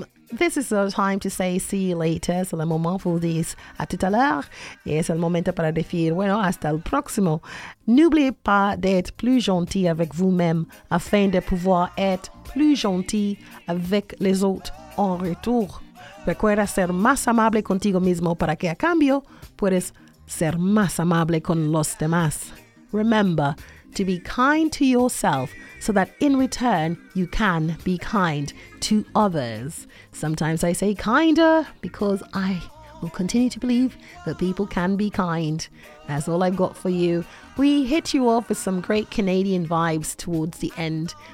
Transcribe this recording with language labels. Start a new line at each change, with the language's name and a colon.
English: This is the time to say see you later.
French: C'est le moment pour dire à tout à l'heure. Et c'est le moment pour dire,
Spanish: bueno, hasta el próximo.
French: N'oubliez pas d'être plus gentil avec vous-même afin de pouvoir être plus gentil avec les autres en retour.
Spanish: Recuerda ser más amable contigo mismo para que a cambio puedes ser más amable con los demás.
English: Remember to be kind to yourself so that in return you can be kind to others. Sometimes I say kinder because I will continue to believe that people can be kind. That's all I've got for you. We hit you off with some great Canadian vibes towards the end.